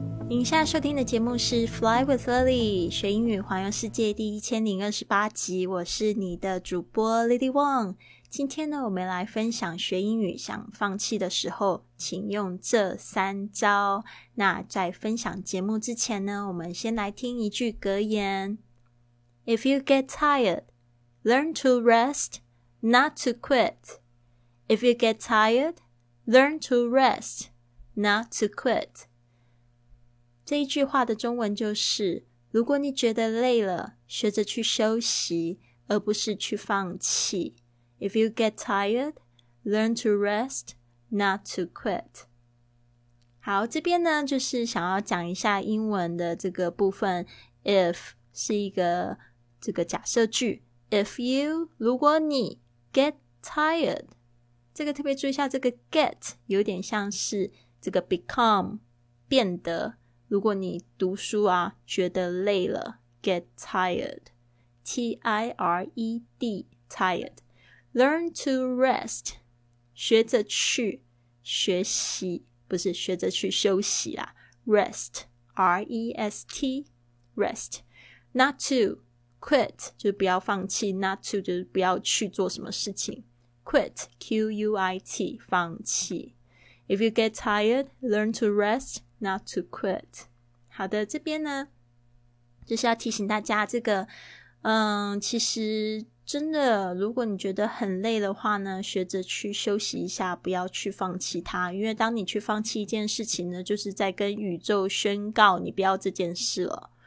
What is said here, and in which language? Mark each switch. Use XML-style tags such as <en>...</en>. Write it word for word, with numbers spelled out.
<zh>您现在收听的节目是 Fly with Lily 学英语环游世界第一千零二十八集，我是你的主播 Lily Wang。今天呢，我们来分享学英语想放弃的时候请用这三招。那在分享节目之前呢，我们先来听一句格言。</zh> <en>If you get tired, learn to rest, not to quit. If you get tired, learn to rest, not to quit.</en> <zh>这一句话的中文就是，如果你觉得累了，学着去休息，而不是去放弃。</zh> <en>If you get tired, learn to rest, not to quit.</en> <zh>好，这边呢，就是想要讲一下英文的这个部分。 If 是一个这个假设句。</zh> <en>If you</en> <zh>如果你</zh> <en>get tired，</en> <zh>这个特别注意一下，这个 get 有点像是这个 become 变得。如果你读书啊，觉得累了</zh> <en>get tired, T I R E D, tired. Learn to rest,</en> <zh>学着去学习，不是学着去休息啦</zh> <en>rest, R E S T, rest. Not to, quit,</en> <zh>就是不要放弃</zh> <en>not to</en> <zh>就是不要去做什么事情</zh> <en>quit, Q U I T,</en> <zh>放弃。 If you get tired, learn to rest, not to quit. 好的，这边呢，就是要提醒大家，这个，嗯，其实真的，如果你觉得很累的话呢，学着去休息一下，不要去放弃它，因为当你去放弃一件事情呢，就是在跟宇宙宣告你不要这件事了。</zh>